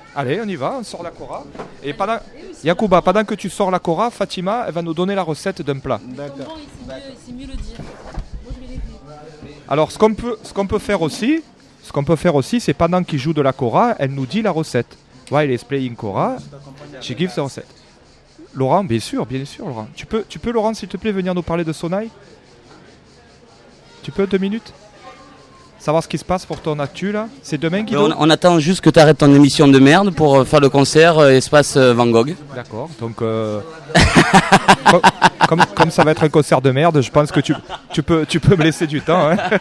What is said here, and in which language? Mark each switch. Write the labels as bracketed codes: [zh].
[fr] Allez, on y va, on sort la kora. Et pendant... Yakuba, pendant que tu sors la kora, Fatima, elle va nous donner la recette d'un plat. D'accord. C'est mieux le dire. Moi, je vais les dire. Alors, ce qu'on peut faire aussi, c'est pendant qu'il joue de la kora, elle nous dit la recette. [en] While he's playing kora, she gives the [fr] recette. Laurent, bien sûr, Laurent. Tu peux, Laurent, s'il te plaît, venir nous parler de Sonai? Tu peux, 2 minutes? Savoir ce qui se passe pour ton actu là, c'est demain qui. On attend juste que tu arrêtes ton émission de merde pour faire le concert espace Van Gogh. D'accord, donc comme ça va être un concert de merde, je pense que tu peux me laisser du temps. Hein.